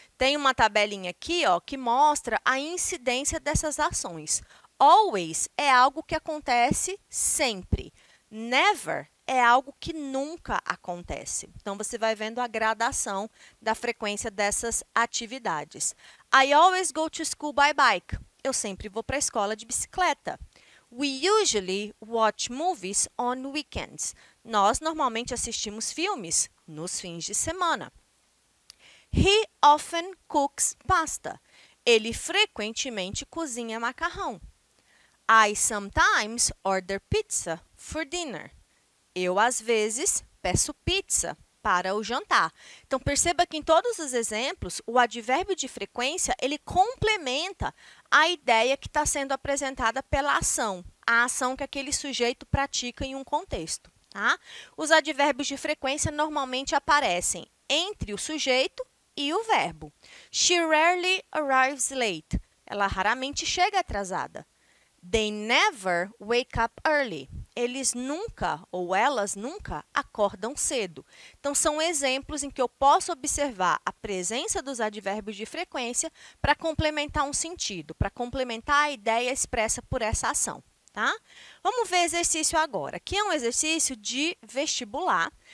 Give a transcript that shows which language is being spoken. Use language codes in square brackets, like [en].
[pt] Tem uma tabelinha aqui, ó, que mostra a incidência dessas ações. Always é algo que acontece sempre. Never é algo que nunca acontece. Então, você vai vendo a gradação da frequência dessas atividades. [en] I always go to school by bike. [pt] Eu sempre vou para a escola de bicicleta. [en] We usually watch movies on weekends. [pt] Nós normalmente assistimos filmes nos fins de semana. [en] He often cooks pasta. [pt] Ele frequentemente cozinha macarrão. [en] I sometimes order pizza for dinner. [pt] Eu, às vezes, peço pizza para o jantar. Então, perceba que em todos os exemplos, o advérbio de frequência, ele complementa a ideia que está sendo apresentada pela ação, a ação que aquele sujeito pratica em um contexto, tá? Os advérbios de frequência normalmente aparecem entre o sujeito e o verbo. [en] She rarely arrives late. [pt] Ela raramente chega atrasada. [en] They never wake up early. [pt] Eles nunca ou elas nunca acordam cedo. Então, são exemplos em que eu posso observar a presença dos advérbios de frequência para complementar um sentido, para complementar a ideia expressa por essa ação, tá? Vamos ver exercício agora. Aqui é um exercício de vestibular.